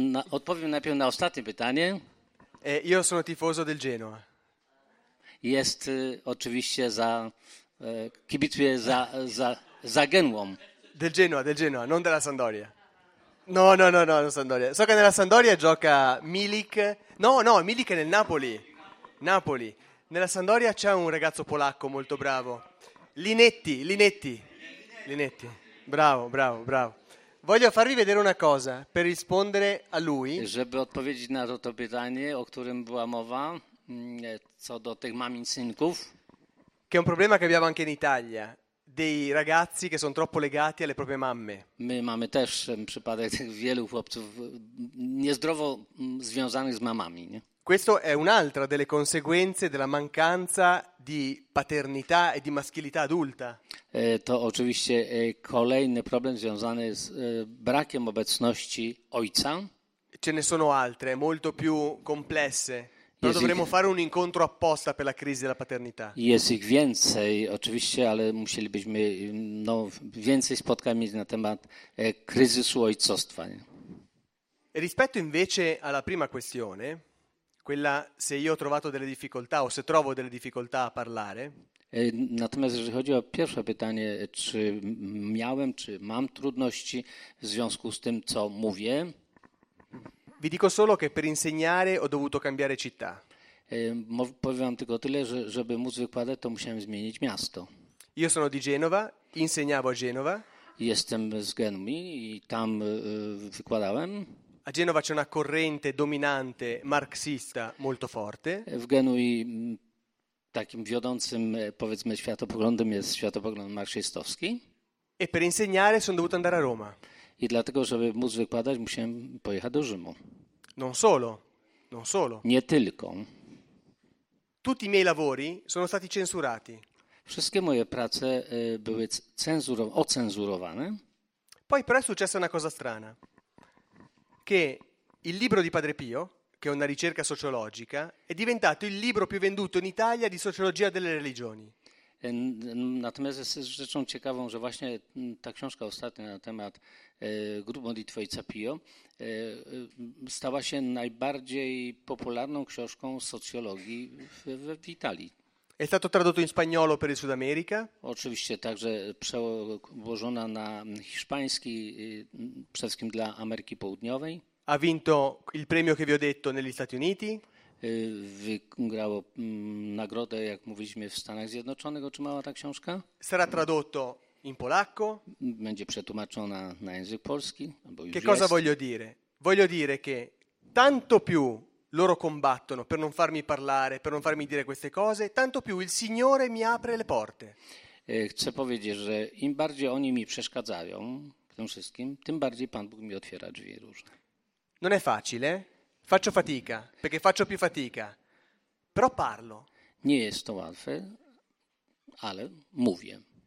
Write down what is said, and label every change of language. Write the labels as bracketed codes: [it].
[pl] Odpowiem najpierw na ostatnie pytanie. [it] Io sono tifoso del Genoa. [pl] Jest oczywiście za, kibicuje za Genuą. [it] Del Genoa, non della Sampdoria. No, Sampdoria. So che nella Sampdoria gioca Milik. No, Milik è nel Napoli. Napoli. Nella Sampdoria c'è un ragazzo polacco molto bravo. Linetti. Bravo. Voglio farvi vedere una cosa per rispondere a lui. [pl] Żeby odpowiedzieć na to pytanie, o którym była mowa. Co do tych mamin synków. [it] Che è un problema che abbiamo anche in Italia, dei ragazzi che sono troppo legati alle proprie mamme. [pl] My mamy też przypadek wielu chłopców niezdrowo związanych z mamami, nie? [it] Questo è un'altra delle conseguenze della mancanza di paternità e di maschilità adulta. [pl] To oczywiście kolejny problem związany z brakiem obecności ojca. [it] Ce ne sono altre, molto più complesse. No, dovremmo fare un incontro apposta per la crisi della paternità. [pl] Jest ich więcej, oczywiście, ale musielibyśmy więcej spotkań mieć na temat kryzysu ojcostwa. [it] E rispetto invece alla prima questione, quella se io ho trovato delle difficoltà o se trovo delle difficoltà a parlare. [pl] Natomiast jeżeli chodzi o pierwsze pytanie, czy miałem, czy mam trudności w związku z tym, co mówię. [it] Vi dico solo che per insegnare ho dovuto cambiare città. [pl] Powiem tylko tyle, że żeby móc wykładać, to musiałem zmienić miasto. [it] Io sono di Genova, insegnavo a Genova. [pl] Jestem z Genui i tam wykładałem. [it] A Genova c'è una corrente dominante marxista molto forte. [pl] W Genui takim wiodącym, powiedzmy, światopoglądem jest światopogląd marxistowski. [it] E per insegnare sono dovuto andare a Roma. [pl] I dlatego, żeby móc wykładać, musiałem pojechać do Rzymu. [it] Non solo. [pl] Nie tylko. [it] Tutti i miei lavori sono stati censurati. [pl] Wszystkie moje prace były ocenzurowane. [it] Poi però è successa una cosa strana. Che il libro di Padre Pio, che è una ricerca sociologica, è diventato il libro più venduto in Italia di sociologia delle religioni. [pl] Natomiast jest rzeczą ciekawą, że właśnie ta książka ostatnia na temat grup modlitwy i capio stała się najbardziej popularną książką socjologii w Italii. [it] È stato tradotto in spagnolo per il Sud America? [pl] Oczywiście, także przełożona na hiszpański, przede wszystkim dla Ameryki Południowej. [it] Ha vinto il premio che vi ho detto negli Stati Uniti? [pl] Wygrało nagrodę, jak mówiliśmy, w Stanach Zjednoczonych, otrzymała ta książka. [it] Sarà tradotto in polacco. [pl] Będzie przetłumaczona na język polski. Albo już [it] che cosa [pl] jest. [it] Voglio dire? Voglio dire che tanto più loro combattono per non farmi parlare, per non farmi dire queste cose, tanto più il Signore mi apre le porte. [pl] Chcę powiedzieć, że im bardziej oni mi przeszkadzają w tym wszystkim, tym bardziej Pan Bóg mi otwiera drzwi różne. [it] Non è facile, faccio fatica, perché faccio più fatica, però parlo. [pl] Nie jest to łatwe, ale mówię.